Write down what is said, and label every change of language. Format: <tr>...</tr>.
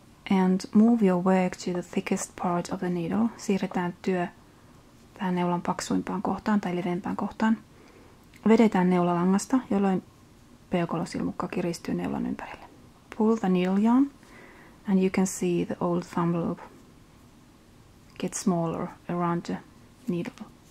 <en>And move your work to the thickest part of the needle.</en> <fi>Siirretään työ tähän neulan paksuimpaan kohtaan tai leveämpään kohtaan. Vedetään neula langasta, jolloin peukalosilmukka kiristyy neulan ympärille.</fi> <en>Pull the needle yarn and you can see the old thumb loop get smaller around the needle.</en>